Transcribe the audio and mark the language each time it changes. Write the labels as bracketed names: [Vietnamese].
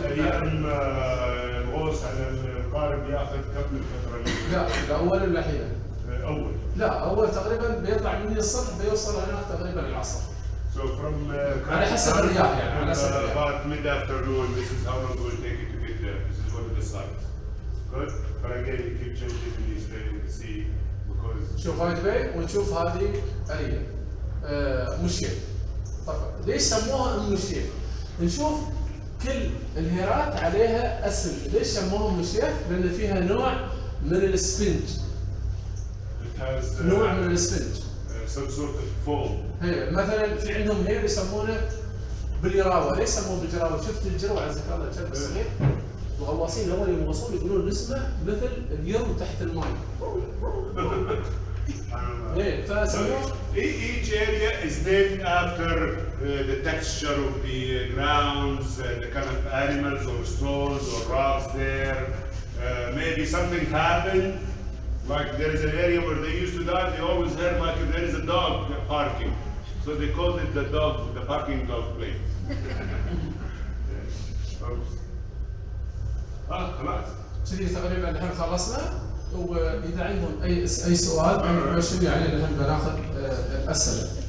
[Arabic] أيام غوص على القارب ياخذ كم من فترة؟ لا، الأول ولا الأخير؟ أول. لا أول تقريبا بيطلع مني الصبح بيوصل هناك تقريبا العصر. [English] So from [Arabic] على حسب الرياح يعني على حسب الرياح. [English] About mid afternoon, this is how long it will take you to get there. This is one of the sites. Good. But again, you keep changing in these days to see because. [Arabic] شوف هاي دبي ونشوف هذه أريا. مشير. طبعا ليش سموها المشير؟ نشوف كل الهيرات عليها اسم، ليش سموها مشير؟ لأن فيها نوع من الاسفنج. نوع من الاسفنج. [English] Some sort of foam. [Arabic] هي مثلا في عندهم هير يسمونه باليراوه، ليش يسمونه بالجراوه؟ شفت الجرو على ذكر الله كان صغير؟ الغواصين الاول يوم يغوصون يقولون نسمه مثل اليرو تحت الماء. ايه فسموه [English] Each area is named after the texture of the grounds, the kind of animals or stones or rocks there. Maybe something happened. Like there is an area where they used to dive, they always heard like there is a dog parking. So they called it the dog, the parking dog place. yes. [Arabic] خلاص. كذي تقريبا الحين خلصنا. وإذا عندهم أي سؤال أنا أرسل لي عليه لهم بناخذ أسئلة.